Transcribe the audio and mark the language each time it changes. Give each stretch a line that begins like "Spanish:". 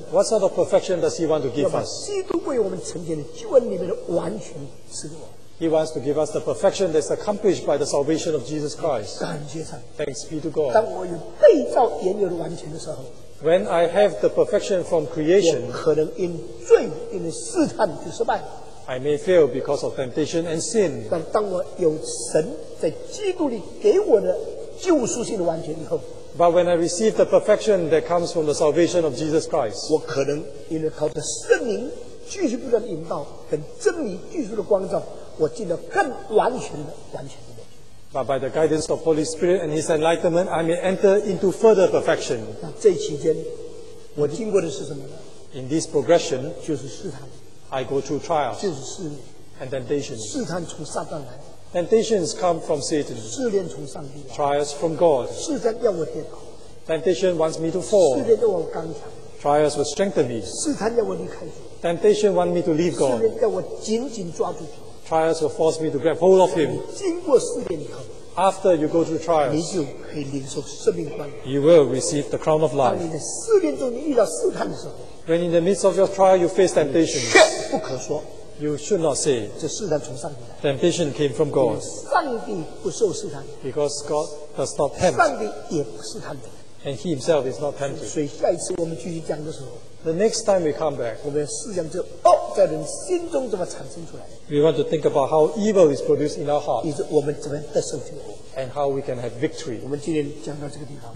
English: What sort of perfection does He want to give us?
Chinese: 基督为我们成全的救恩里面的完全赐给我们。
English: He wants to give us the perfection that's accomplished by the salvation of Jesus Christ.
Chinese: 感谢神。
English: Thanks be to God.
Chinese: 当我有被造原有的完全的时候，
English: When I have the perfection from creation,
Chinese: 我可能因罪因试探就失败。
English: I may fail because of temptation and sin.
Chinese: 但当我有神在基督里给我的救赎性的完全以后，
English: But when I receive the perfection that comes from the salvation of Jesus Christ,
Chinese: 我可能因为靠着圣灵继续不断引导跟真理继续的光照，我进了更完全的完全的。
English: But by the guidance of Holy Spirit and His enlightenment, I may enter into further perfection.
Chinese: 那这期间，我经过的是什么呢？
English: In this progression,
Chinese: 就是试探。
English: I go through trials.
Chinese: 就是试炼。
English: And temptations.
Chinese: 试探从撒旦来。
English: Temptations come from Satan.
Chinese: 试炼从上帝来。
English: Trials from God.
Chinese: 试探要我跌倒。
English: Temptation wants me to fall.
Chinese: 试炼要我刚强。
English: Trials will strengthen me.
Chinese: 试探要我离开。
English: Temptation wants me to leave God.
Chinese: 试炼要我紧紧抓住。
English: Trials will force me to grab hold of Him.
Chinese: 经过试炼以后，
English: After you go through trials,
Chinese: 你就可以领受生命冠冕。
English: You will receive the crown of life.
Chinese: 当你在试炼中你遇到试探的时候，
English: When in the midst of your trial you face temptation,
Chinese: 却不可说，
English: You should not say,
Chinese: 这试探从上帝来。
English: Temptation came from God.
Chinese: 上帝不受试探。
English: Because God does not tempt.
Chinese: 上帝也不试探的。
English: And He Himself is not tempted.
Chinese: 所以下一次我们继续讲的时候，
English: The next time we come back,
Chinese: 我们要试想这在人心中怎么产生出来。
English: We want to think about how evil is produced in our heart.
Chinese: 以致我们怎么得胜出来。
English: And how we can have victory.
Chinese: 我们今天讲到这个地方。